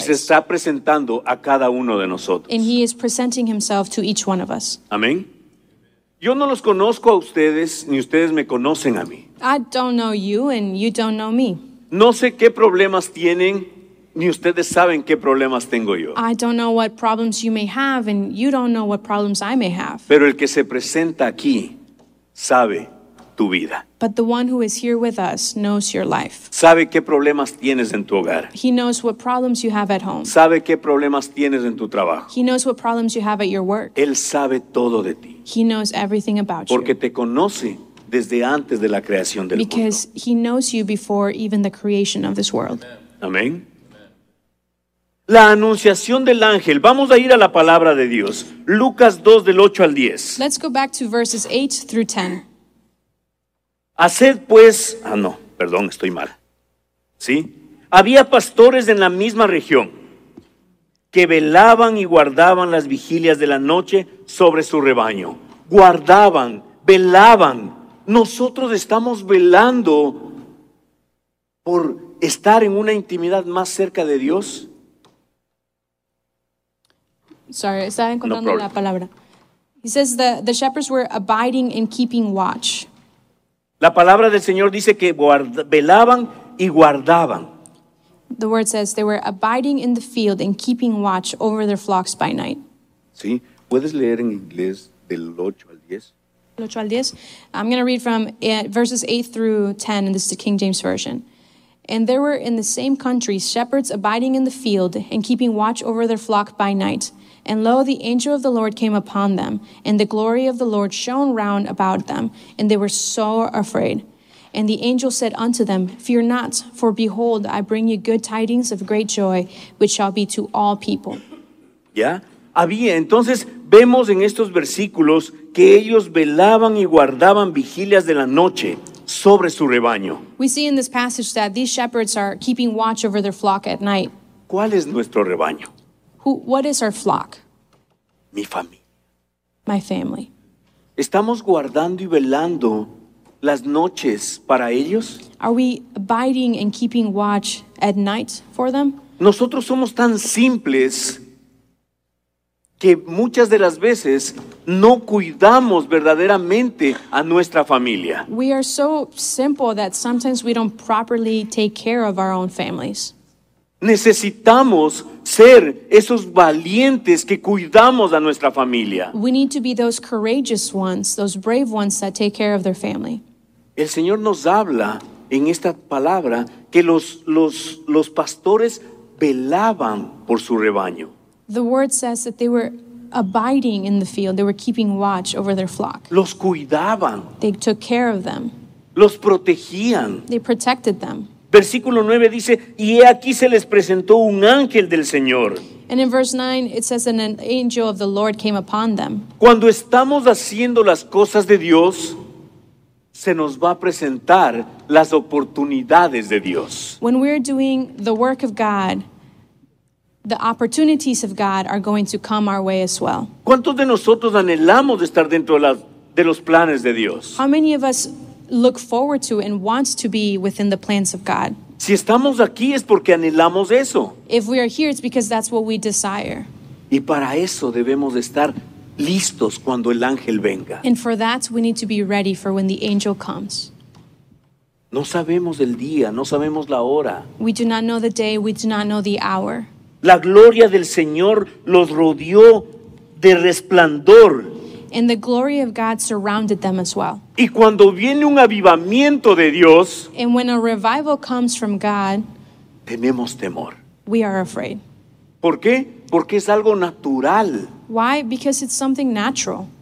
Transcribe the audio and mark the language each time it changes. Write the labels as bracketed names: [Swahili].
[Spanish] Y se está presentando a cada uno de nosotros. [English] And he is presenting himself to each one of us. [Spanish] Amén. Yo no los conozco a ustedes ni ustedes me conocen a mí. [English] I don't know you and you don't know me. [Spanish] No sé qué problemas tienen. Ni ustedes saben qué problemas tengo yo. [English] I don't know what problems you may have, and you don't know what problems I may have. [Spanish] Pero el que se presenta aquí sabe tu vida. [English] But the one who is here with us knows your life. [Spanish] Sabe qué problemas tienes en tu hogar. [English] He knows what problems you have at home. [Spanish] Sabe qué problemas tienes en tu trabajo. [English] He knows what problems you have at your work. [Spanish] Él sabe todo de ti. [English] He knows everything about [Spanish] Porque Porque te conoce desde antes de la creación del [English] Because [Spanish] mundo. [English] Because he knows you before even the creation of this world. [Spanish] Amén. La anunciación del ángel. Vamos a ir a la palabra de Dios. Lucas 2, del 8 al 10. [English] Let's go back to verses 8 through 10. [Spanish] Haced pues... perdón, estoy mal. ¿Sí? Había pastores en la misma región que velaban y guardaban las vigilias de la noche sobre su rebaño. Guardaban, velaban. Nosotros estamos velando por estar en una intimidad más cerca de Dios. Sorry, estaba encontrando la palabra. [English] He says the shepherds were abiding and keeping watch. [Spanish] La palabra del Señor dice que velaban y guardaban. [English] The word says they were abiding in the field and keeping watch over their flocks by night. [Spanish] Sí, puedes leer en inglés del 8 al 10. El 8 al 10. [English] I'm going to read from verses 8 through 10, and this is the King James Version. And there were in the same country shepherds abiding in the field and keeping watch over their flock by night. And lo, the angel of the Lord came upon them, and the glory of the Lord shone round about them, and they were so afraid. And the angel said unto them, Fear not, for behold, I bring you good tidings of great joy, which shall be to all people. [Spanish] Ya, había. Entonces, vemos en estos versículos que ellos velaban y guardaban vigilias de la noche sobre su rebaño. [English] We see in this passage that these shepherds are keeping watch over their flock at night. [Spanish] ¿Cuál es nuestro rebaño? [English] What is our flock? [Spanish] Mi familia. [English] My family. [Spanish] ¿Estamos guardando y velando las noches para ellos? [English] Are we abiding and keeping watch at night for them? [Spanish] Nosotros somos tan simples que muchas de las veces no cuidamos verdaderamente a nuestra familia. [English] We are so simple that sometimes we don't properly take care of our own families. [Spanish] Necesitamos ser esos valientes que cuidamos a nuestra familia. [English] We need to be those courageous ones, those brave ones that take care of their family. [Spanish] El Señor nos habla en esta palabra que los pastores velaban por su rebaño. [English] The word says that they were abiding in the field. They were keeping watch over their flock. [Spanish] Los cuidaban. [English] They took care of them. [Spanish] Los protegían. [English] They protected them. [Spanish] Versículo 9 dice, y he aquí se les presentó un ángel del Señor. [English] And in verse 9, it says an angel of the Lord came upon them. [Spanish] Cuando estamos haciendo las cosas de Dios, se nos va a presentar las oportunidades de Dios. [English] When we're doing the work of God, the opportunities of God are going to come our way as well. [Spanish] ¿Cuántos de nosotros anhelamos estar dentro de los planes de Dios? [English] How many of us look forward to and wants to be within the plans of God? [Spanish] Si estamos aquí es porque anhelamos eso. [English] If we are here, it's because that's what we desire. [Spanish] Y para eso debemos estar listos cuando el ángel venga. [English] And for that, we need to be ready for when the angel comes. [Spanish] No sabemos el día, no sabemos la hora. [English] We do not know the day, we do not know the hour. [Spanish] La gloria del Señor los rodeó de resplandor. [English] And the glory of God surrounded them as well. [Spanish] Y cuando viene un avivamiento de Dios, [English] and when a revival comes from God, [Spanish] tenemos temor. [English] We are afraid. [Spanish] ¿Por qué? Porque es algo natural. [English] Why? Because it's something natural.